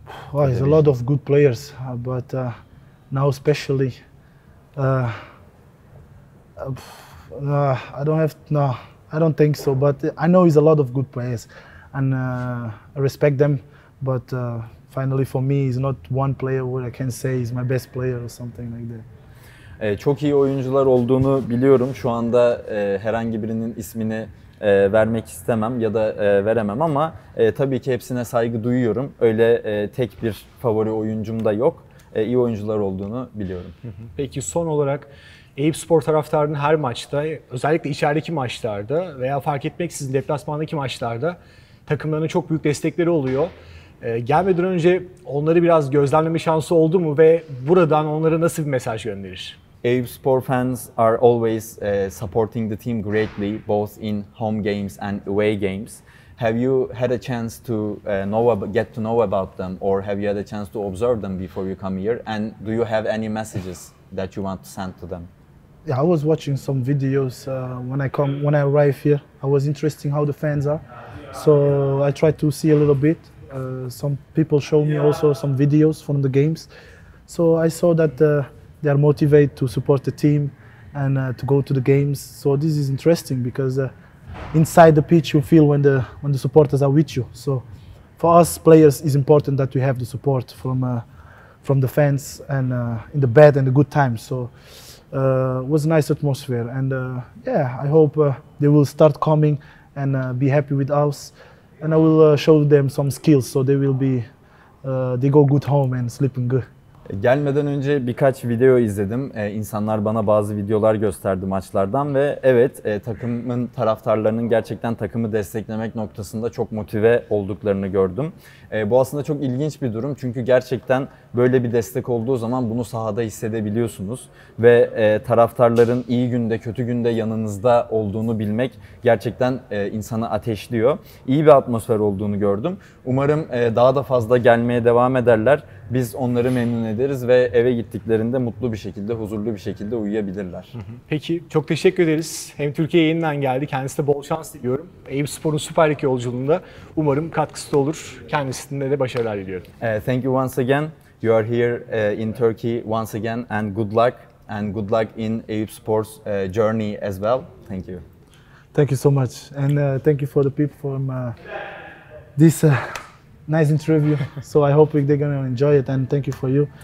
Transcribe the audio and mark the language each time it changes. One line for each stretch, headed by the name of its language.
English: Well, there's a lot of good players, but now especially, I don't have, no, I don't think so, but I know there's a lot of good players and I respect them, but finally for me it's not one player what I can say is my best player or something like that.
Turkish: Çok iyi oyuncular olduğunu biliyorum. Şu anda herhangi birinin ismini vermek istemem ya da veremem ama tabii ki hepsine saygı duyuyorum. Öyle tek bir favori oyuncum da yok. İyi oyuncular olduğunu biliyorum. Peki son olarak Eyüpspor taraftarının her maçta, özellikle içerideki maçlarda veya fark etmeksizin deplasmandaki maçlarda takımlarına çok büyük destekleri oluyor. Gelmeden önce onları biraz gözlemleme şansı oldu mu ve buradan onlara nasıl bir mesaj gönderir?
English: Eyüpspor fans are always supporting the team greatly, both in home games and away games. Have you had a chance to get to know about them, or have you had a chance to observe them before you come here? And do you have any messages that you want to send to them? Yeah, I was watching some videos when I arrived here. I was interested in how the fans are, so I tried to see a little bit. Some people showed me also some videos from the games, so I saw that. They are motivated to support the team and to go to the games. So this is interesting because inside the pitch you feel when the supporters are with you. So for us players, it's important that we have the support from the fans and in the bad and the good times. So it was a nice atmosphere. And I hope they will start coming and be happy with us. And I will show them some skills so they will be they go good home and sleeping good.
Turkish: Gelmeden önce birkaç video izledim. İnsanlar bana bazı videolar gösterdi maçlardan ve evet, takımın taraftarlarının gerçekten takımı desteklemek noktasında çok motive olduklarını gördüm. Bu aslında çok ilginç bir durum çünkü gerçekten böyle bir destek olduğu zaman bunu sahada hissedebiliyorsunuz. Ve taraftarların iyi günde kötü günde yanınızda olduğunu bilmek gerçekten insanı ateşliyor. İyi bir atmosfer olduğunu gördüm. Umarım daha da fazla gelmeye devam ederler. Biz onları memnun ederiz ve eve gittiklerinde mutlu bir şekilde, huzurlu bir şekilde uyuyabilirler. Peki, çok teşekkür ederiz. Hem Türkiye'ye yeniden geldi, kendisine bol şans diliyorum. Eyüpspor'un Süper Lig yolculuğunda umarım katkısı da olur. Kendisinde de başarılar diliyorum.
English: Thank you once again. You are here in Turkey once again and good luck. And good luck in Eyüpspor's journey as well. Thank you. Thank you so much. And thank you for the people from this... Nice interview. So I hope they're going to enjoy it and thank you for you.